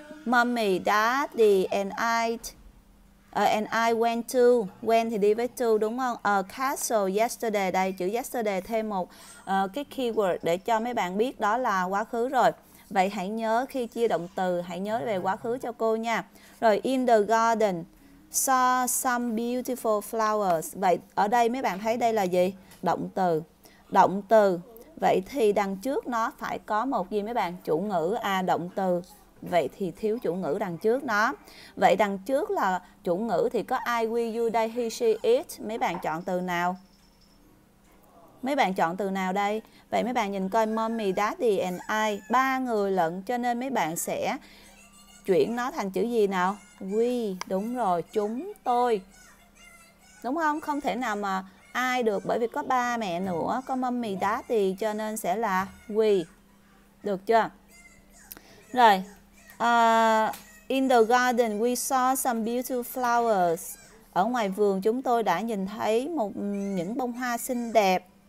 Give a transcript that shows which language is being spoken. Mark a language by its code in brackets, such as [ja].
[en] Mommy, daddy and I went to, went [vi] thì đi với to đúng không? [en] A castle yesterday, [vi] đây chữ yesterday thêm một cái keyword để cho mấy bạn biết đó là quá khứ rồi. Vậy hãy nhớ khi chia động từ, hãy nhớ về quá khứ cho cô nha. [en] Rồi, in the garden, saw some beautiful flowers. [vi] Vậy ở đây mấy bạn thấy đây là gì? Động từ. Động từ. Vậy thì đằng trước nó phải có một gì mấy bạn? Chủ ngữ. Động từ. Vậy thì thiếu chủ ngữ đằng trước nó. Vậy đằng trước là chủ ngữ thì có I, we, you, they, he, she, it. Mấy bạn chọn từ nào? Mấy bạn chọn từ nào đây? Vậy mấy bạn nhìn coi [en] mommy, daddy and I, [vi] ba người lận, cho nên mấy bạn sẽ chuyển nó thành chữ gì nào? We, đúng rồi, chúng tôi. Đúng không? Không thể nào mà ai được, bởi vì có ba mẹ nữa, có mommy, daddy, cho nên sẽ là we. Được chưa? Rồi, [en] in the garden we saw some beautiful flowers. [vi] Ở ngoài vườn chúng tôi đã nhìn thấy những bông hoa xinh đẹp.